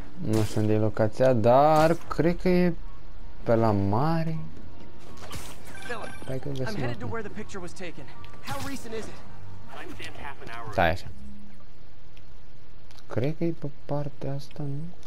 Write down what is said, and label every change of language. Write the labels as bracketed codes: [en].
[ro] Nu știu unde e locația, dar cred că e pe la mare. [en] Philip, I'm headed to where the picture was taken. How recent is it? [ro] Stai așa. Cred că e pe partea asta, nu?